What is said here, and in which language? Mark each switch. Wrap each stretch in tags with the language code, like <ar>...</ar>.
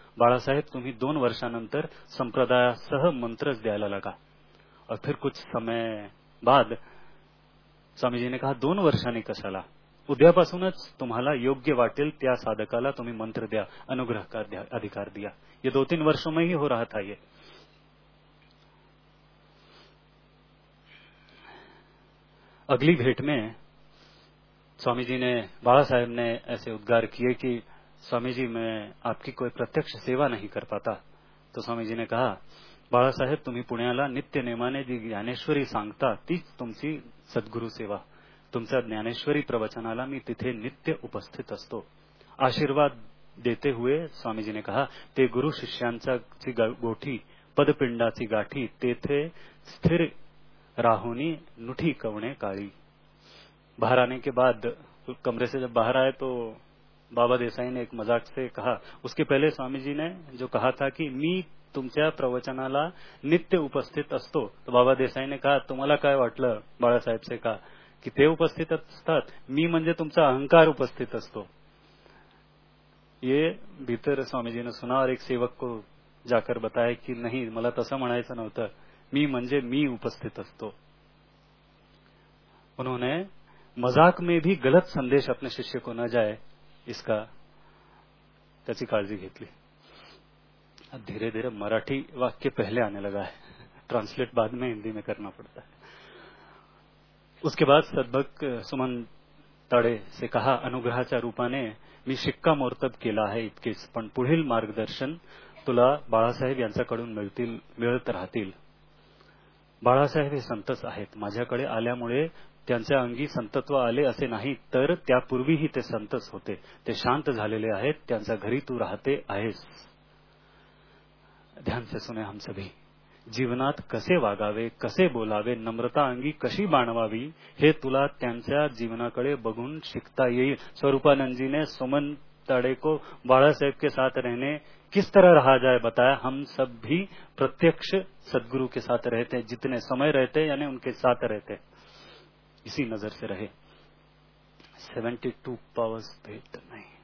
<mr>बाळा साहेब तुम्ही 2 वर्षानंतर संप्रदायासह मंत्रच द्यायला लगा.</mr> <hi>और फिर कुछ समय बाद स्वामी जी ने कहा</hi> <mr>2 वर्षांनी कशाला, उद्यापासूनच तुम्हाला योग्य वाटेल त्या साधकाला तुम्ही मंत्र द्या,</mr> <hi>अनुग्रह का अधिकार दिया. ये 2-3 वर्षों में ही हो रहा था. ये अगली भेंट में स्वामी जी ने बाला साहेब ने ऐसे उद्गार किए कि स्वामी जी मैं आपकी कोई प्रत्यक्ष सेवा नहीं कर पाता. तो स्वामी जी ने कहा</hi> <mr>बाला साहेब तुम्ही पुण्याला नित्य नेमाने जी ज्ञानेश्वरी सांगता तीच तुमची सद्गुरु सेवा, तुमच्या ज्ञानेश्वरी प्रवचनाला मी तिथे नित्य उपस्थित असतो.</mr> <hi>आशीर्वाद देते हुए स्वामी जी ने कहा</hi> <mr>ते गुरु शिष्यांचा गोठी पदपिंडाची गाठी तेथे स्थिर राहुनी नुठी कवणे काळी.</mr> <hi>बाहर आने के बाद कमरे से जब बाहर आए तो बाबा देसाई ने एक मजाक से कहा, उसके पहले स्वामी जी ने जो कहा था कि</hi> <mr>मी तुमच्या प्रवचनाला नित्य उपस्थित असतो,</mr> <hi>तो बाबा देसाई ने कहा</hi> <mr>तुम्हाला काय वाटलं</mr> <hi>बाळासाहेब से का कि</hi> <mr>ते उपस्थित असतात, मी म्हणजे तुमचा अहंकार उपस्थित असतो.</mr> <hi>ये भीतर स्वामी जी ने सुना और एक सेवक को जाकर बताया कि नहीं</hi> <mr>मला तसं म्हणायचं नव्हतं, मी म्हणजे मी उपस्थित असतो.</mr> <hi>उन्होंने मजाक में भी गलत संदेश अपने शिष्य को न जाए इसका</hi> <mr>त्याची काळजी घेतली.</mr> <hi>धीरे धीरे मराठी वाक्य पहले आने लगा है, ट्रांसलेट बाद में हिंदी में करना पड़ता है. उसके बाद सद्भक सुमन ताड़े से कहा</hi> <mr>अनुग्रहाच्या रूपाने मी शिक्का मोर्तब केला आहे इतकेच, पण पुढील मार्गदर्शन तुला बाळासाहेब यांच्याकडून मिळत राहतील. बाळासाहेब हे संतच आहेत, माझ्याकडे आल्यामुळे त्यांच्या अंगी संतत्व आले असे नाही, तर त्यापूर्वीही ते संतच होते. ते शांत झालेले आहेत, त्यांच्या घरी तू राहते आहेस.</mr> <hi>ध्यान से सुने हम सभी,</hi> <mr>जीवनात कसे वागावे कसे बोलावे नम्रता अंगी कशी बाणवावी हे तुला त्यांच्या जीवनाकडे बघून शिकता येईल.</mr> <hi>स्वरूपानंदजीने सुमन तडे को बाळासाहेब के साथ रहने किस तरह रहा जाए बताया. हम सब भी प्रत्यक्ष सद्गुरु के साथ रहते हैं, जितने समय रहते हैं यानी उनके साथ रहते हैं, इसी नजर से रहे. 72 पावर्स भेद नहीं.</hi>